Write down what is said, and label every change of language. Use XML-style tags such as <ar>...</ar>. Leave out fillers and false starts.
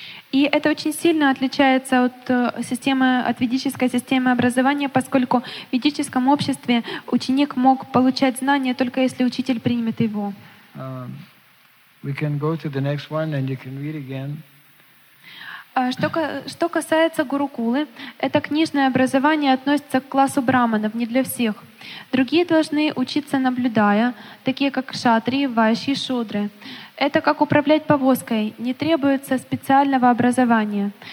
<ru>И это очень сильно отличается от системы, от ведической системы образования, поскольку в ведическом обществе ученик мог получать знания только если учитель примет его.</ru> <en>We can go to the next one and you can read again.</en> <ru>Что касается Гурукулы, это книжное образование относится к классу браманов, не для всех. Другие должны учиться наблюдая, такие как кшатри, вайши и шудры. Это как управлять повозкой, не требуется специального образования.</ru>